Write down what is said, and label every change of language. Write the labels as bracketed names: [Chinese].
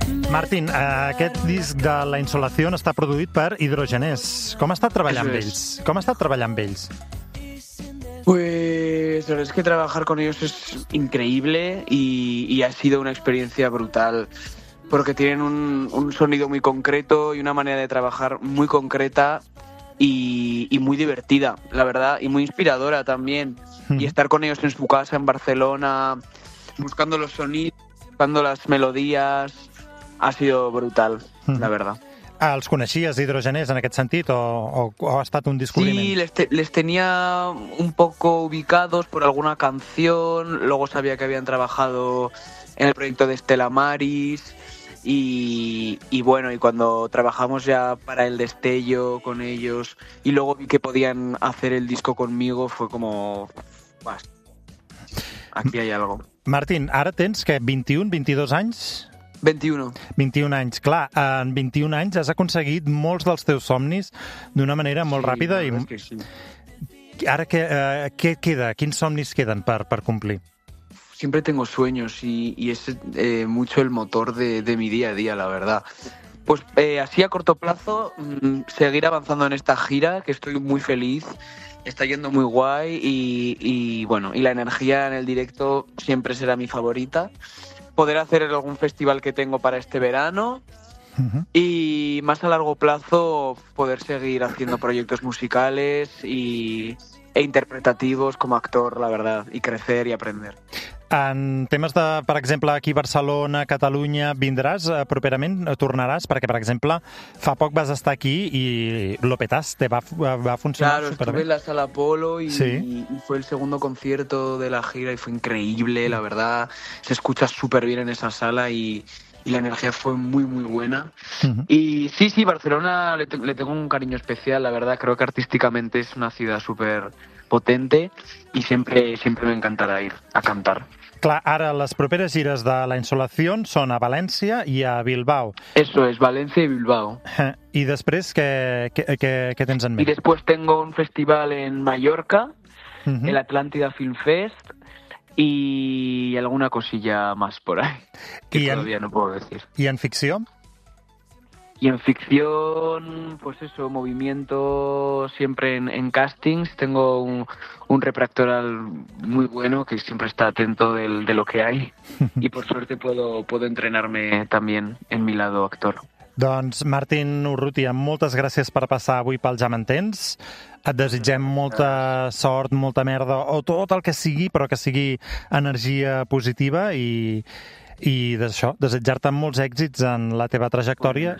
[Catalan] Martín, aquest disc de La Insolación està produït per Hidrogenés. Com està treballant amb ells? Com està treballant amb ells? [Spanish] Pues la verdad es que trabajar con ellos es increíble y ha sido una experiencia brutal, porque tienen un sonido muy concreto y una manera de trabajar muy concreta y muy divertida, la verdad, y muy inspiradora también. Y estar con ellos en su casa, en Barcelona, buscando los sonidos, buscando las melodías, ha sido brutal, la verdad. [Catalan] ¿Els coneixies, Hidrogenés, en aquest sentit, o ha estat un descobriment? [Spanish] Sí, les tenía un poco ubicados por alguna canción, luego sabía que habían trabajado en el proyecto de Estela Maris, y bueno, y cuando trabajamos ya para El Destello con ellos, y luego vi que podían hacer el disco conmigo, fue como... aquí hay algo. [Catalan] Martín, ara tens, què, 21, 22 anys? 21 anys, clar, en 21 anys has aconseguit molts dels teus somnis d'una manera molt ràpida. Sí, i... que sí. Ara, què queda? Quins somnis queden per complir? [Spanish] Siempre tengo sueños y es mucho el motor de mi día a día, la verdad. Pues así a corto plazo, seguir avanzando en esta gira, que estoy muy feliz, está yendo muy guay y bueno, y la energía en el directo siempre será mi favorita. Poder hacer algún festival que tengo para este verano. Uh-huh. Y más a largo plazo poder seguir haciendo proyectos musicales e interpretativos como actor, la verdad, y crecer y aprender. [Catalan] En temes de, per exemple, aquí a Barcelona, Catalunya, vindràs properament, tornaràs? Perquè, per exemple, fa poc vas estar aquí i lo petaste, va funcionar [Spanish] claro, [Catalan] superbé. [Spanish] Claro, estuve en la sala Apolo y, sí. Y fue el segundo concierto de la gira y fue increíble, la verdad. Se escucha superbien en esa sala y la energía fue muy, muy buena. Uh-huh. Y sí, Barcelona le tengo un cariño especial, la verdad. Creo que artísticamente es una ciudad súper... potente y siempre me encantará ir a cantar. [Catalan] Clar, ara les properes gires de La Insolación són a València i a Bilbao. [Spanish] Eso es, València y Bilbao. [Catalan] I després què tens en ment? [Spanish] Y después tengo un festival en Mallorca, uh-huh. El Atlántida Film Fest y alguna cosilla más por ahí que todavía no puedo decir. [Catalan] I en ficció? [Spanish] Y en ficción, pues eso, movimiento siempre en castings. Tengo un repractoral muy bueno que siempre está atento de lo que hay. Y por suerte puedo entrenarme también en mi lado actor. [Catalan] Doncs, Martín Urrutia, moltes gràcies per passar avui pel Ja m'entens. Et desitgem molta sort, molta merda, o tot el que sigui, però que sigui energia positiva i d'això, desitjar-te molts èxits en la teva trajectòria.